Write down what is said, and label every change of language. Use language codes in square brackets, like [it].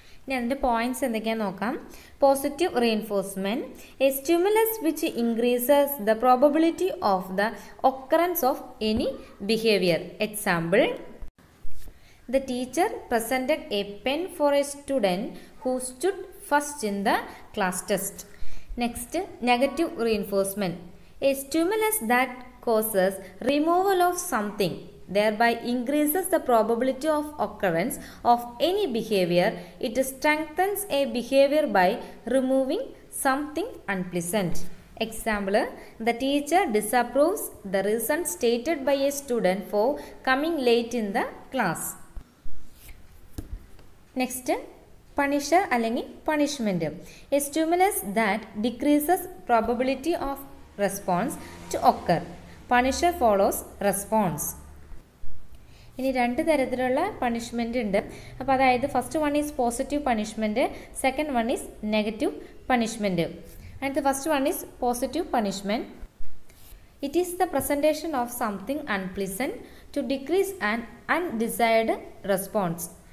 [ml] ഞാൻ അതിൻ്റെ പോയിന്റ്സ് എന്തൊക്കെയാണ് നോക്കാം. [en] Positive reinforcement, a stimulus which increases the probability of the occurrence of any behaviour. Example, the teacher presented a pen for a student who stood first in the class test. Next, negative reinforcement, a stimulus that causes removal of something thereby increases the probability of occurrence of any behavior, it strengthens a behavior by removing something unpleasant. Example, the teacher disapproves the reason stated by a student for coming late in the class. Next, punisher [ml] allengi [en] punishment, a stimulus that decreases probability of response to occur, punisher follows response. [ml] ഇനി രണ്ട് തരത്തിലുള്ള punishment ഉണ്ട്. അപ്പോൾ അതായത് [en] First one is positive punishment, second one is negative punishment. അടുത്ത first one is positive punishment, it is the presentation of something unpleasant to decrease an undesired response.